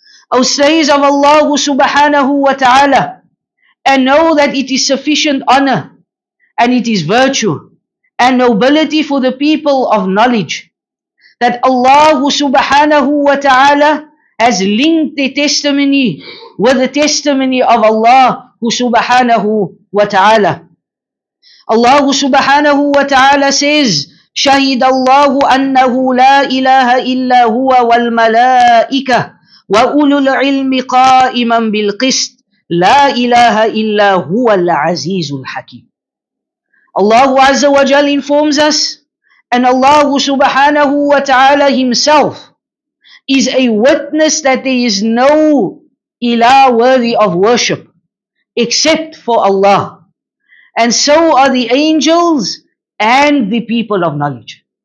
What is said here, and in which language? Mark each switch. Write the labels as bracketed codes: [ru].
[en] O slaves of Allah subhanahu wa ta'ala, and know that it is sufficient honor, and it is virtue, and nobility for the people of knowledge, that Allah subhanahu wa ta'ala has linked their testimony with the testimony of Allah subhanahu wa ta'ala. Allah subhanahu wa ta'ala says, [ar] شهد الله أنه لا إله إلا هو والملائكة وأولو العلم قائما بالقسط لا إله إلا هو العزيز الحكيم. [en] Allah Azza wa Jal informs us, and Allah subhanahu wa ta'ala himself is a witness that there is no ilah worthy of worship except for Allah. And so are the angels and the people of knowledge.